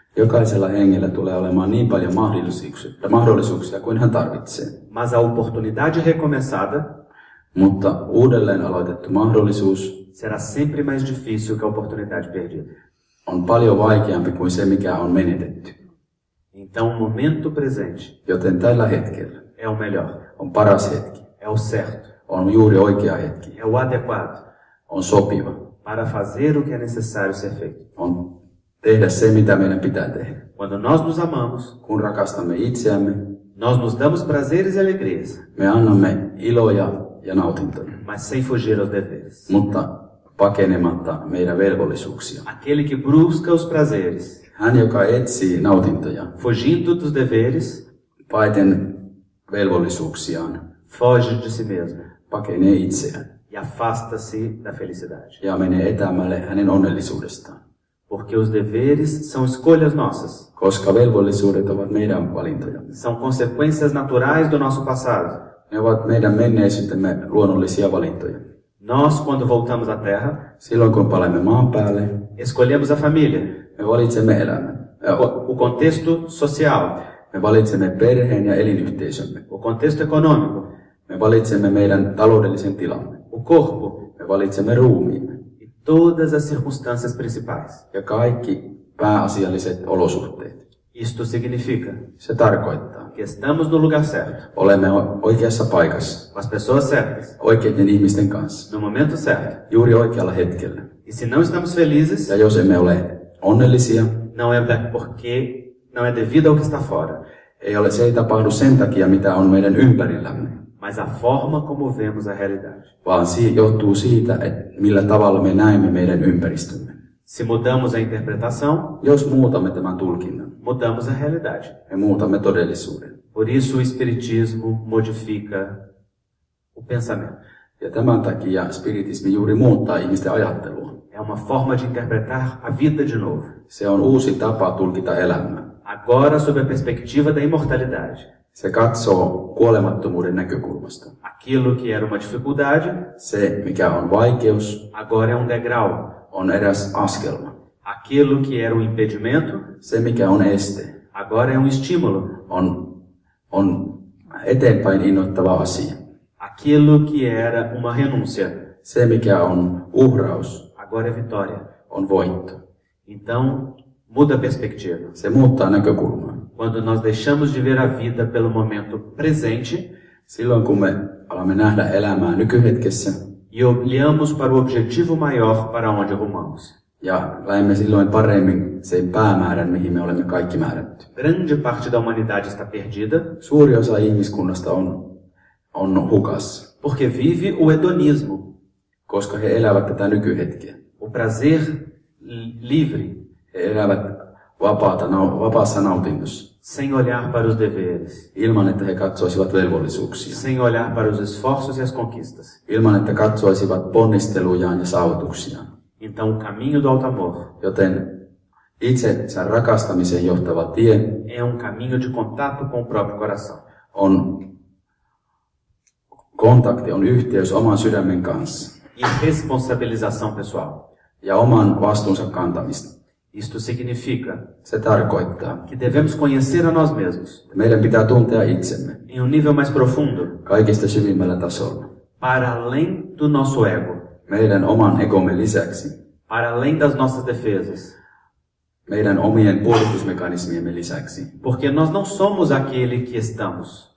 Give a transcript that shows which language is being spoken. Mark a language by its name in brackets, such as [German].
[Finnish] Jokaisella hengellä tulee olemaan niin paljon mahdollisuuksia kuin hän tarvitsee. [Portuguese] Mas a oportunidade recomeçada, [Finnish] mutta uudelleen aloitettu mahdollisuus [Portuguese] será sempre mais difícil que a oportunidade perdida. [Finnish] On paljon vaikeampi kuin se, mikä on menetetty. [Portuguese] Então, o momento presente, [Finnish] joten tällä hetkellä, [Portuguese] é o melhor, [Finnish] on paras hetki, [Portuguese] é o certo, [Finnish] on juuri oikea hetki, [Portuguese] é o adequado, [Finnish] on sopiva, [Portuguese] para fazer o que é necessário ser feito, [Finnish] on tehdä se, mitä meidän pitää tehdä. [Portuguese] Quando nós nos amamos, [Finnish] kun rakastamme itseämme, [Portuguese] nós nos damos prazeres e alegrias, [Finnish] me annamme iloja ja nautintoja, [Portuguese] mas sem fugir aos deveres. [Finnish] Mutta pakenematta meidän velvollisuuksia. [Portuguese] Aquele que brusca os prazeres. [Finnish] Hän, joka etsii nautintoja. [Portuguese] Fugindo dos deveres. [Finnish] Paiten velvollisuuksiaan. [Portuguese] Foge de si mesmo. [Finnish] Pakenee itseään. [Portuguese] E afasta-se da felicidade. [Finnish] Ja menee etämälle hänen onnellisuudestaan. [Portuguese] Porque os deveres são escolhas nossas. [Finnish] Koska velvollisuudet ovat meidän valintoja. [Portuguese] São consequências naturais do nosso passado. [Finnish] Ne ovat meidän menneisyytemme luonnollisia valintoja. [Portuguese] Nós, quando voltamos à terra, [Finnish] silloin kun palaamme maan päälle, [Portuguese] escolhemos a família, [Finnish] me valitsemme elämän, [Portuguese] o contexto social, [Finnish] Me valitsemme perheen ja elinyhteisömme. [Portuguese] O contexto econômico. [Finnish] Me valitsemme meidän taloudellisen tilamme. [Portuguese] O corpo. [Finnish] Me valitsemme ruumiimme. [Portuguese] E todas as circunstâncias principais. [Finnish] Ja kaikki pääasialliset olosuhteet. [Portuguese] Isto significa. [Finnish] Se tarkoittaa. [Portuguese] Que estamos no lugar certo. [Finnish] Olemme oikeassa paikassa. [Portuguese] Com as pessoas certas. [Finnish] Oikeiden ihmisten kanssa. [Portuguese] No momento certo. [Finnish] Juuri oikealla hetkellä. [Portuguese] E se não estamos felizes. [Finnish] Ja jos emme ole onnellisia. [Portuguese] Não é porque não é devido ao que está fora. [Finnish] Ei ole, se ei tapahdu sen takia, mitä on meidän ympärillämme. [Portuguese] Mas a forma como vemos a realidade. [Finnish] Vaan se johtuu siitä, että millä tavalla me näemme meidän ympäristömme. [Portuguese] Se mudamos a interpretação. [Finnish] Jos muutamme tämän tulkinnan. [Portuguese] Mudamos a realidade. [Finnish] Me muutamme todellisuuden. [Portuguese] Por isso o espiritismo modifica o pensamento. [Finnish] Ja tämän takia spiritismi juuri muuttaa ihmisten ajattelua. [Portuguese] É uma forma de interpretar a vida de novo. [Finnish] Se on uusi tapa tulkita elämää. [Portuguese] Agora sob a perspectiva da imortalidade. [Finnish] Se katsoo kuolemattomuuden näkökulmasta. [Portuguese] Aquilo que era uma dificuldade. [Finnish] Se, mikä on vaikeus. [Portuguese] Agora é um degrau. [Finnish] On eräs askelma. [Portuguese] Aquilo que era um impedimento. [Finnish] Se, mikä on este. [Portuguese] Agora é um estímulo. [Finnish] On eteenpäin innoittava asia. [Portuguese] Aquilo que era uma renúncia. [Finnish] Se, mikä on uhraus. [Portuguese] Agora é vitória. [Finnish] On voitto. [Portuguese] Então, muda a perspectiva. [Finnish] Se muuttaa näkökulmaa. [Portuguese] Quando nós deixamos de ver a vida pelo momento presente. [Finnish] Silloin, kun me alamme nähdä elämää nykyhetkessä. [Portuguese] E olhamos para o objetivo maior para onde rumamos. [Finnish] Ja lähemme silloin paremmin sen päämäärän, mihin me olemme kaikki määrätty. [Portuguese] Grande parte da humanidade está perdida. [Finnish] Suuri osa ihmiskunnasta on hukassa. [Portuguese] Porque vive o hedonismo. [Finnish] Koska he elävät tätä nykyhetkeä. [Portuguese] O prazer livre. [Finnish] He elävät vapaassa nautinnossa. [Portuguese] Sem olhar para os deveres. [Finnish] Ilman, että he katsoisivat velvollisuuksia. [Portuguese] Sem olhar para os esforços e as conquistas. [Finnish] Ilman, että katsoisivat ponnistelujaan ja saavutuksiaan. [Portuguese] Então, o caminho do auto-amor. [Finnish] Joten itsensä rakastamiseen johtava tie. [Portuguese] É um caminho de contato com o próprio coração. [Finnish] On kontakti, on yhteys oman sydämen kanssa. [Portuguese] E responsabilização pessoal. [Finnish] Ja oman vastuunsa kantamista. [Portuguese] Isto significa. [Finnish] Se tarkoittaa. [Portuguese] Que devemos conhecer a nós mesmos. [Finnish] Meidän pitää tuntea itsemme. [Portuguese] Em um nível mais profundo. [Finnish] Kaikista syvimmällä tasolla. [Portuguese] Para além do nosso ego. [Finnish] Meidän oman egomme lisäksi. [Portuguese] Para além das nossas defesas. [Finnish] Meidän omien puolustusmekanismiemme lisäksi. [Portuguese] Porque nós não somos aquele que estamos.